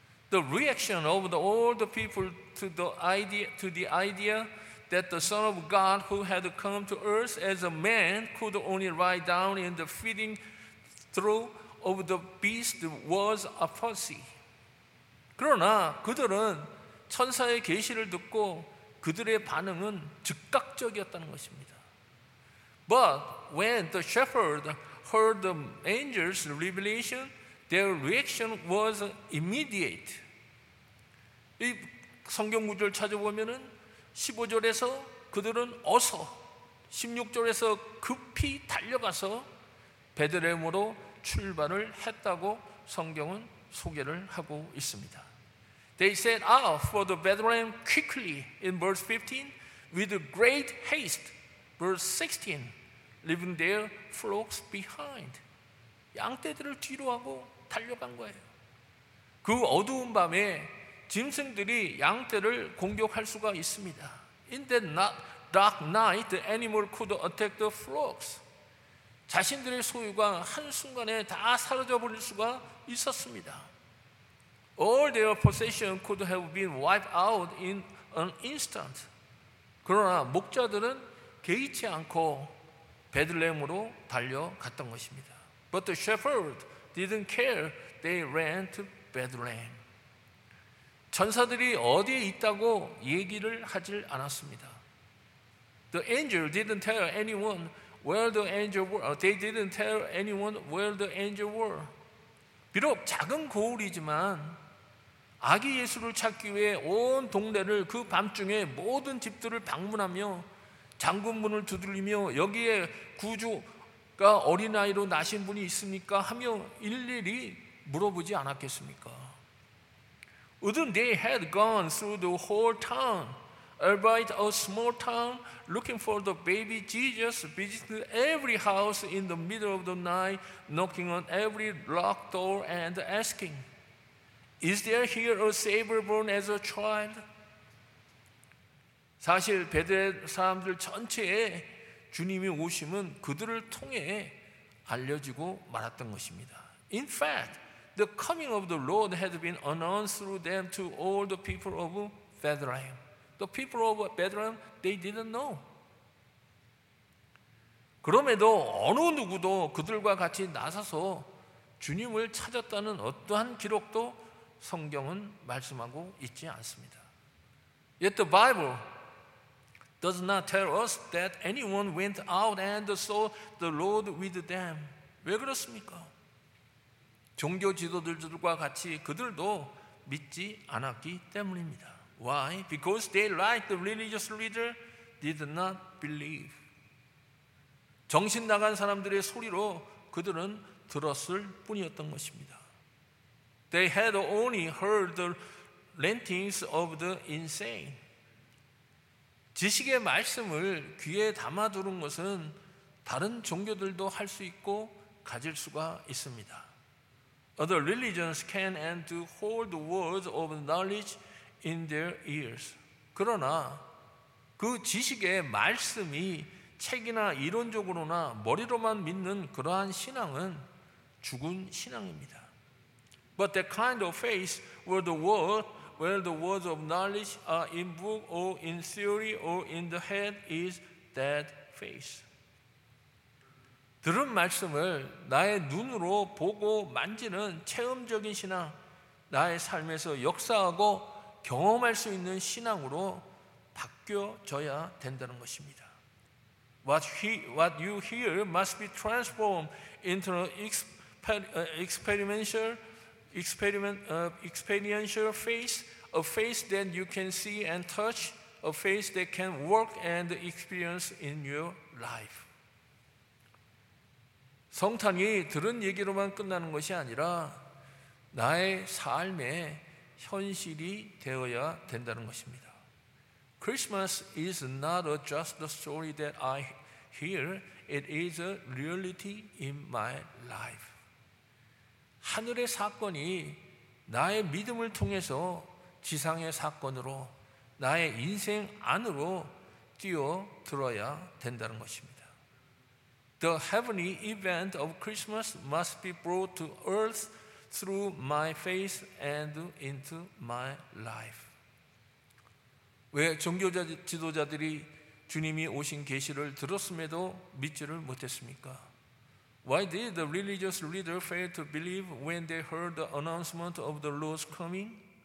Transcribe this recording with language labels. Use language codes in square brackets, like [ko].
[en] The reaction of all the people to the idea that the Son of God who had come to earth as a man could only ride down in the feeding trough of the beast was apathy. [ko] 그러나 그들은 천사의 계시를 듣고 그들의 반응은 즉각적이었다는 것입니다. [en] But when the shepherd heard the angel's revelation, their reaction was immediate. [ko] 이 성경 구절 찾아보면은 15절에서 그들은 어서, 16절에서 급히 달려가서 베들레헴으로 출발을 했다고 성경은 소개를 하고 있습니다. [en] They set out for the Bethlehem quickly in verse 15 with great haste, verse 16. Leaving their flocks behind. [ko] 양떼들을 뒤로 하고 달려간 거예요. 그 어두운 밤에 짐승들이 양떼를 공격할 수가 있습니다. [en] In the dark night, the animal could attack the flocks. [ko] 자신들의 소유가 한순간에 다 사라져버릴 수가 있었습니다. [en] All their possession could have been wiped out in an instant. [ko] 그러나 목자들은 개의치 않고 베들레헴으로 달려갔던 것입니다. [en] But the shepherd didn't care. They ran to Bethlehem. [ko] 천사들이 어디에 있다고 얘기를 하질 않았습니다. [en] The angel didn't tell anyone where the angel were. They didn't tell anyone where the angel were. [ko] 비록 작은 거울이지만 아기 예수를 찾기 위해 온 동네를 그 밤중에 모든 집들을 방문하며 장군문을 두드리며 여기에 구주가 어린아이로 나신 분이 있습니까? 하며 일일이 물어보지 않았겠습니까? [en] Wouldn't they had gone through the whole town, albeit a small town, looking for the baby Jesus, visiting every house in the middle of the night, knocking on every locked door and asking, Is there here a Savior born as a child? [ko] 사실 베들레헴 사람들 전체에 주님이 오심은 그들을 통해 알려지고 말았던 것입니다. [en] In fact, the coming of the Lord had been announced through them to all the people of Bethlehem. The people of Bethlehem, they didn't know. [ko] 그럼에도 어느 누구도 그들과 같이 나서서 주님을 찾았다는 어떠한 기록도 성경은 말씀하고 있지 않습니다. [en] Yet the Bible does not tell us that anyone went out and saw the Lord with them. [ko] 왜 그렇습니까? 종교 지도들과 같이 그들도 믿지 않았기 때문입니다. [en] Why? Because they, like the religious leader, did not believe. [ko] 정신 나간 사람들의 소리로 그들은 들었을 뿐이었던 것입니다. [en] They had only heard the rantings of the insane. [ko] 지식의 말씀을 귀에 담아두는 것은 다른 종교들도 할 수 있고 가질 수가 있습니다. [en] Other religions can and do hold the words of knowledge in their ears. [ko] 그러나 그 지식의 말씀이 책이나 이론적으로나 머리로만 믿는 그러한 신앙은 죽은 신앙입니다. [en] But that kind of faith where the word, where the words of knowledge are in book or in theory or in the head is dead faith. [ko] 들은 말씀을 나의 눈으로 보고 만지는 체험적인 신앙, 나의 삶에서 역사하고 경험할 수 있는 신앙으로 바뀌어져야 된다는 것입니다. [en] What you hear must be transformed into an experiential faith, a faith that you can see and touch, a faith that can work and experience in your life. [ko] 성탄이 들은 얘기로만 끝나는 것이 아니라 나의 삶의 현실이 되어야 된다는 것입니다. [en] Christmas is not just a story that I hear. It is a reality in my life. [ko] 하늘의 사건이 나의 믿음을 통해서 지상의 사건으로 나의 인생 안으로 뛰어들어야 된다는 것입니다. [en] The heavenly event of Christmas must be brought to earth through my faith and into my life. [ko] 왜 종교 지도자들이 주님이 오신 계시를 들었음에도 믿지를 못했습니까? [en] Why did the religious leader fail to believe when they heard the announcement of the Lord's coming?